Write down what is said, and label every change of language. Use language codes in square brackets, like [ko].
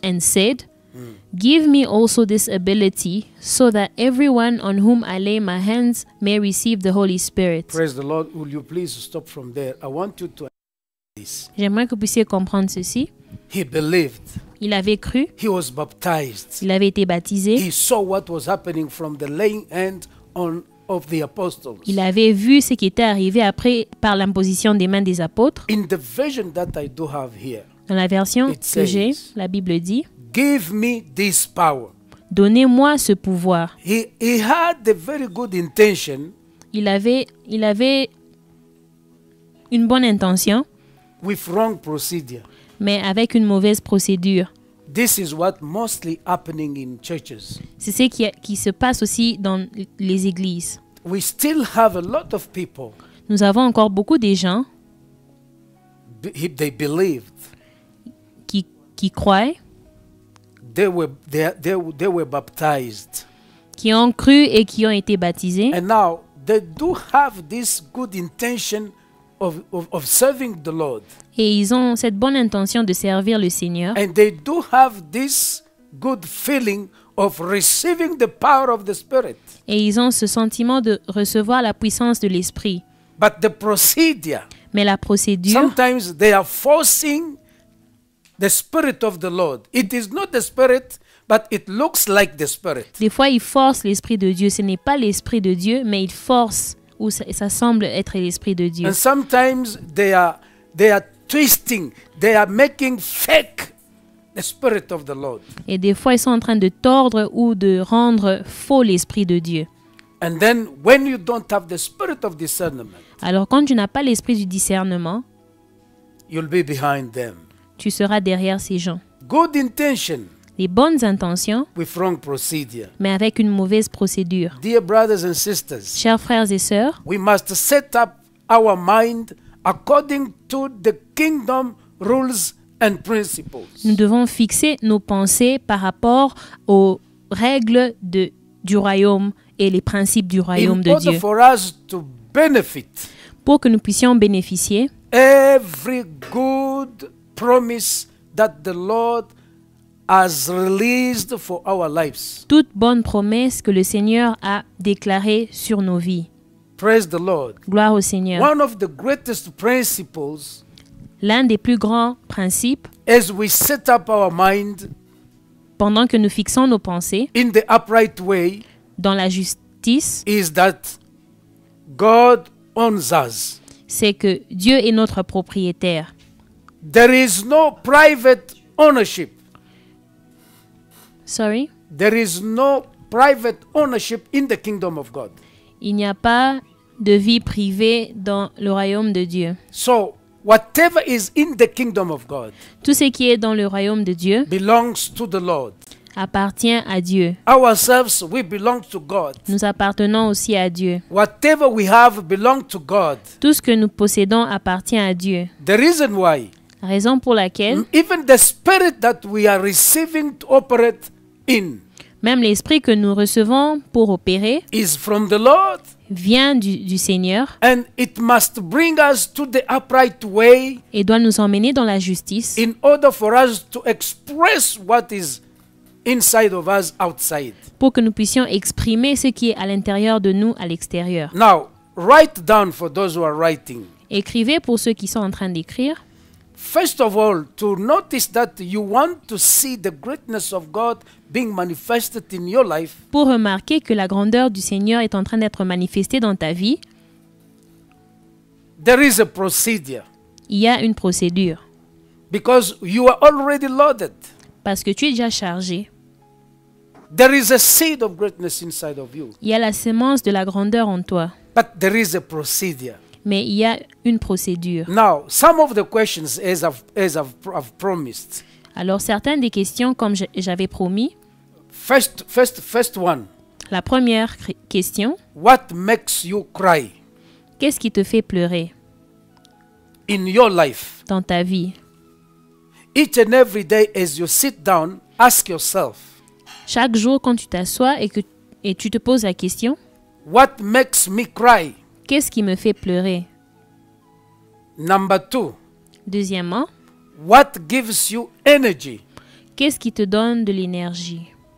[en] And said, give me also this ability so that everyone on whom I lay my hands may receive the Holy Spirit. Praise the Lord. Will you please stop from there? I want you to understand this. [fr] J'aimerais que vous puissiez comprendre ceci. [en] He believed. [fr] Il avait cru. [en] He was baptized. [fr] Il avait été baptisé. [en] He saw what was happening from the laying hand on of the apostles. [fr] Il avait vu ce qui était arrivé après par l'imposition des mains des apôtres. [en] In the version that I do have here. [fr] Dans la version que [en] says, [fr] j'ai, la Bible dit. [en] Give me this power. [fr] Donnez-moi ce pouvoir. [en] He had a very good intention. [fr] Il avait une bonne intention. [en] With wrong procedure. [fr] Mais avec une mauvaise procédure. [en] This is what mostly happening in churches. [fr] C'est ce qui se passe aussi dans les églises. [en] We still have a lot of people. [fr] Nous avons encore beaucoup de gens. [en] They believed. [fr] Qui croient. [en] They were baptized. [fr] Qui ont cru et qui ont été baptisés. [en] And now they do have this good intention of serving the Lord. [fr] Et ils ont cette bonne intention de servir le Seigneur. [en] And they do have this good feeling of receiving the power of the Spirit. [fr] Et ils ont ce sentiment de recevoir la puissance de l'Esprit. [en] But the procedure. [fr] Mais la procédure. [en] Sometimes they are forcing the Spirit of the Lord. It is not the Spirit, but it looks like the Spirit. [fr] Des fois, ils forcent l'Esprit de Dieu. Ce n'est pas l'Esprit de Dieu, mais ils forcent ou ça semble être l'Esprit de Dieu. [en] And sometimes they are twisting, they are making fake the Spirit of the Lord. [fr] Et des fois, ils sont en train de tordre ou de rendre faux l'Esprit de Dieu. [en] And then, when you don't have the Spirit of discernment, [fr] alors quand tu n'as pas l'Esprit du discernement, [en] you'll be behind them. [fr] Tu seras derrière ces gens. [en] Good intention, [fr] les bonnes intentions, [en] with wrong procedure. [fr] Mais avec une mauvaise procédure. [en] Dear brothers and sisters, [fr] chers frères et sœurs, [en] we must set up our mind according to the kingdom rules and principles. [fr] Nous devons fixer nos pensées par rapport aux règles du royaume et les principes du royaume [en] in [fr] de Dieu. [en] For us to benefit, [fr] pour que nous puissions bénéficier, [en] every good promise that the Lord has released for our lives. [fr] Toute bonne promesse que le Seigneur a déclarée sur nos vies. [en] Praise the Lord. [fr] Gloire au Seigneur. [en] One of the greatest principles. [fr] L'un des plus grands principes. [en] As we set up our mind. [fr] Pendant que nous fixons nos pensées. [en] In the upright way. [fr] Dans la justice. [en] Is that God owns us. [fr] C'est que Dieu est notre propriétaire. [en] There is no private ownership. Sorry? There is no private ownership in the kingdom of God. [fr] Il n'y a pas de vie privée dans le royaume de Dieu. [en] So, whatever is in the kingdom of God. [fr] Tout ce qui est dans le royaume de Dieu [en] belongs to the Lord. [fr] Appartient à Dieu. [en] Ourselves, we belong to God. [fr] Nous appartenons aussi à Dieu. [en] Whatever we have belongs to God. [fr] Tout ce que nous possédons appartient à Dieu. [en] The reason why. [fr] Raison pour laquelle [en] even the spirit that we are receiving to operate in, [fr] même l'esprit que nous recevons pour opérer [en] is from the Lord, [fr] vient du Seigneur [en] and it must bring us to the upright way, [fr] et doit nous emmener dans la justice [en] in order for us to express what is inside of us outside, [fr] pour que nous puissions exprimer ce qui est à l'intérieur de nous à l'extérieur. [en] Now write down for those who are writing. [fr] Écrivez pour ceux qui sont en train d'écrire. [en] First of all, to notice that you want to see the greatness of God being manifested in your life. [fr] Pour remarquer que la grandeur du Seigneur est en train d'être manifestée dans ta vie. [en] There is a procedure. [fr] Il y a une procédure. [en] Because you are already loaded. [fr] Parce que tu es déjà chargé. [en] There is a seed of greatness inside of you. [fr] Il y a la semence de la grandeur en toi. [en] But there is a procedure. [fr] Mais il y a une procédure. [en] Now, some of the questions as I've promised. [fr] Alors certaines des questions comme j'avais promis. [en] First one. [fr] La première question. [en] What makes you cry? [fr] Qu'est-ce qui te fait pleurer? [en] In your life. [fr] Dans ta vie. [en] Each and every day as you sit down, ask yourself. [fr] Chaque jour quand tu t'assois et tu te poses la question. [en] What makes me cry? [fr] Qu'est-ce qui me fait pleurer? [en] Number two. [fr] Deuxièmement. [en] What gives you energy? [fr] Qu'est-ce qui te donne de l'énergie?